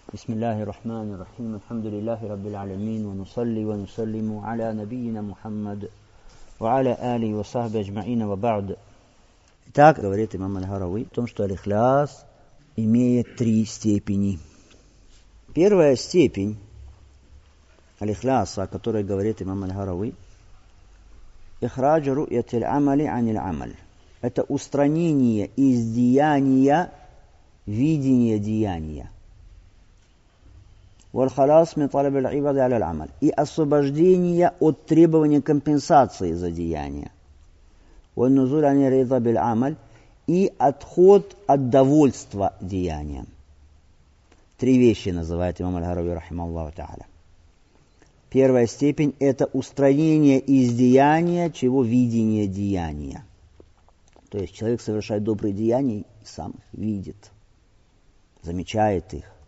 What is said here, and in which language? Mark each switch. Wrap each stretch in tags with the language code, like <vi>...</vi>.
<ar>بسم الله الرحمن الرحيم الحمد لله رب العالمين ونصلي ونسلم على نبينا محمد وعلى آله وصحبه أجمعين وبعد.</ar> <ru>Итак, говорит имам аль-Харави о том, что аль-Ихлас имеет три степени. Первая степень аль-Ихласа, о которой говорит имам аль-Харави,</ru> <ar>ихрадж ру'ят аль-амали ан аль-амаль.</ar> <ru>Это устранение из деяния видения деяния.</ru> <ar>والخلاص من طلب العباد على العمل.</ar> <ru>И освобождение от требования компенсации за деяния.</ru> <ar>والنزول عن الرضا بالعمل.</ar> <ru>И отход от довольства деянием. Три вещи называет имам аль-Харави</ru> <ar>рахималлаху тааля.</ar> <ru>Первая степень – это устранение из деяния, чего видение деяния. То есть человек совершает добрые деяния и сам их видит, замечает их.</ru>